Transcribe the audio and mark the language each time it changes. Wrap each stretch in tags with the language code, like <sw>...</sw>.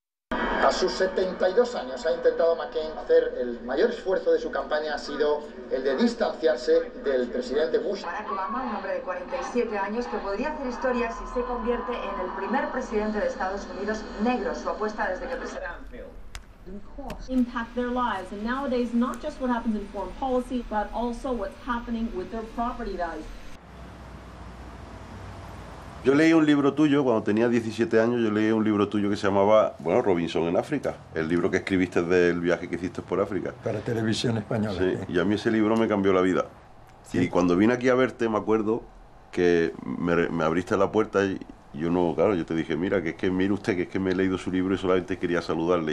<es>A sus 72 años ha intentado McCain hacer el mayor esfuerzo de su campaña, ha sido el de distanciarse del presidente Bush. Barack Obama, un hombre de 47 años que podría hacer historia si se convierte en el primer presidente de Estados Unidos negro, su apuesta desde que presidente.</es> <en>Impact their lives and nowadays not just what happens in foreign policy, but also what's happening with their property values.</en> <es>Yo leí un libro tuyo cuando tenía 17 años, yo leí un libro tuyo que se llamaba, bueno, Robinson en África, el libro que escribiste del viaje que hiciste por África. Para Televisión Española. Sí, y a mí ese libro me cambió la vida. ¿Sí? Y cuando vine aquí a verte, me acuerdo que me abriste la puerta y yo no, claro, yo te dije, mira, que es que mire usted, que es que me he leído su libro y solamente quería saludarle.</es>